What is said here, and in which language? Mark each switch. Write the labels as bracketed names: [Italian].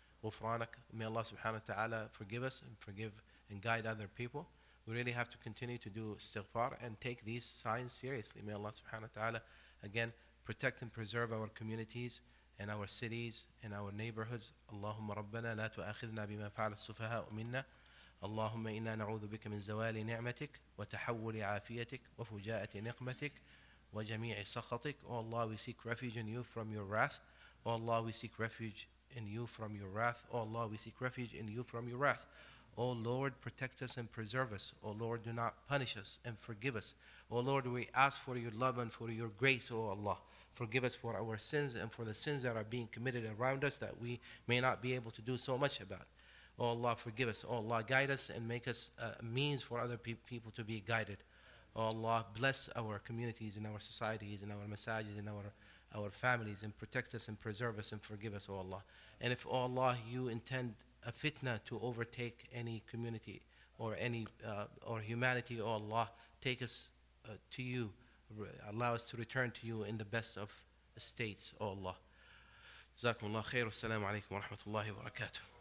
[English] Wafranak, may Allah subhanahu wa ta'ala forgive us and forgive and guide other people. We really have to continue to do istighfar and take these signs seriously. May Allah subhanahu wa ta'ala, again, protect and preserve our communities and our cities and our neighborhoods. [Arabic] Allahumma rabbana la tu'akhidna bima fa'ala sufaha'u minna. اللهم إنا نعوذ بك من زوال نعمتك وتحول عافيتك وفجاءة نقمتك وجميع سخطك. [English] Oh Allah, we seek refuge in you from your wrath. Oh Allah, we seek refuge in you from your wrath. Oh Allah, we seek refuge in you from your wrath. Oh Lord, protect us and preserve us. Oh Lord, do not punish us and forgive us. Oh Lord, we ask for your love and for your grace, oh Allah. Forgive us for our sins and for the sins that are being committed around us that we may not be able to do so much about. Oh Allah, forgive us. Oh Allah, guide us and make us a means for other people to be guided. Oh Allah, bless our communities and our societies and our masajids and our our families and protect us and preserve us and forgive us, O Allah. And if, O Allah, you intend a fitna to overtake any community or any or humanity, O Allah, take us to you. Allow us to return to you in the best of states, O Allah. [Arabic] جزاكم الله خير والسلام عليكم ورحمة الله وبركاته.